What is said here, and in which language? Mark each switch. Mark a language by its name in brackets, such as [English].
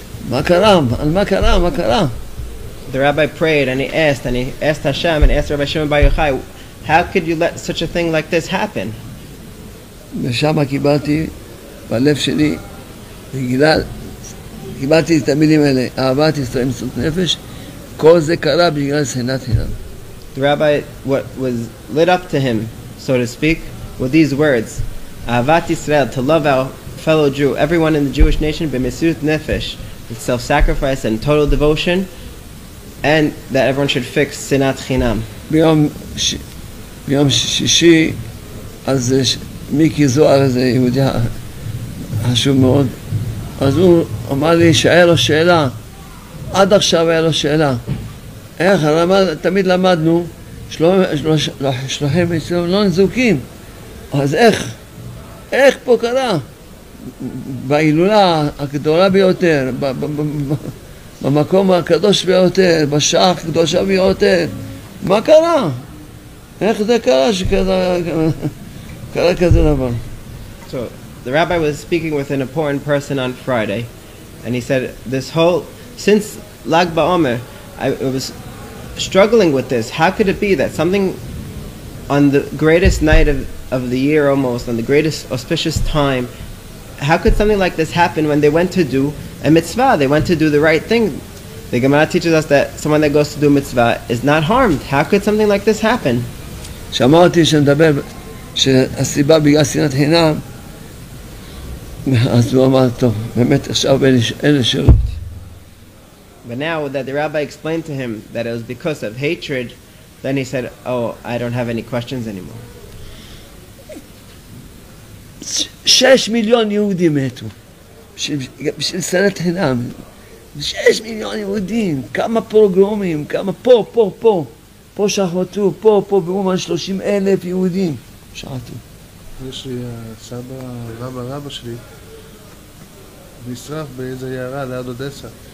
[English] The rabbi prayed and he asked Hashem and asked Rabbi Shimon Bar Yochai, how could you let such a thing like this happen? [Hebrew] ושמה קיבלתי בלב שלי בגלל קיבלתי את המילים האלה אהבת ישראל מסות נפש כל זה קרה בגלל שנאת חינם. [English] The rabbi, what was lit up to him, so to speak, were these words, אהבת ישראל, to love our fellow Jew, everyone in the Jewish nation, במסות נפש, with self-sacrifice and total devotion, and that everyone should fix שנאת חינם. [Hebrew] ביום שישי, אז מיקי זוהר הזה יהודי חשוב מאוד אז הוא אמר לי שהיה לו שאלה עד עכשיו היה לו שאלה איך תמיד למדנו שלוחים אצלם לא נזוקים אז איך פה קרה בהילולה הגדולה ביותר במקום הקדוש ביותר בשעה הקדושה ביותר מה קרה? איך זה קרה שכזה [English] So the rabbi was speaking with an important person on Friday, and he said, since Lag BaOmer, I was struggling with this. How could it be that something on the greatest night of the year almost, on the greatest auspicious time, how could something like this happen when they went to do a mitzvah? They went to do the right thing. The Gemara teaches us that someone that goes to do mitzvah is not harmed. How could something like this happen? [Hebrew] שהסיבה בגלל שנאת חינם אז הוא אמר טוב באמת עכשיו אין לשירות [English] But now that the rabbi explained to him that it was because of hatred then he said I don't have any questions anymore [Hebrew] 6 מיליון יהודים מתו בשביל שנאת חינם 6 מיליון יהודים כמה פוגרומים כמה פה שחטו פה באומן 30,000 יהודים יש לי סבא, רבא שלי נשרף באיזה יערה ליד אודסה